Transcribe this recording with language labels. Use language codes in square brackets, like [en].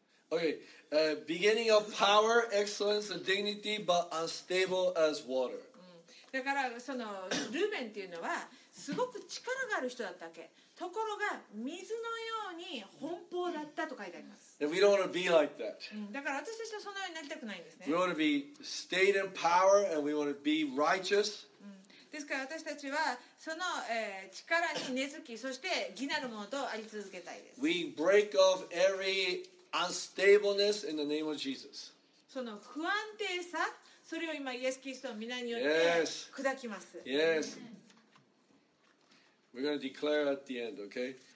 [en] Okay, beginning of power, excellence, and dignity, but unstable as water. [ja] だからそのルーベンっていうのはすごく力がある人だったわけ。ところが水のように奔放だったと書いてあります。 [en] And we don't want to be like that. [ja] だから私たちはそのようになりたくないんですね。 [en] We want to be stayed in power and we want to be righteous. [ja] ですから私たちはその、力に根付き、そして義なるものとあり続けたいです。 [en] We break off every unstableness in the name of Jesus. [ja] その不安定さ、それを今イエス・キリストの皆によって砕きます。 [en] Yes. We're going to declare at the end, okay?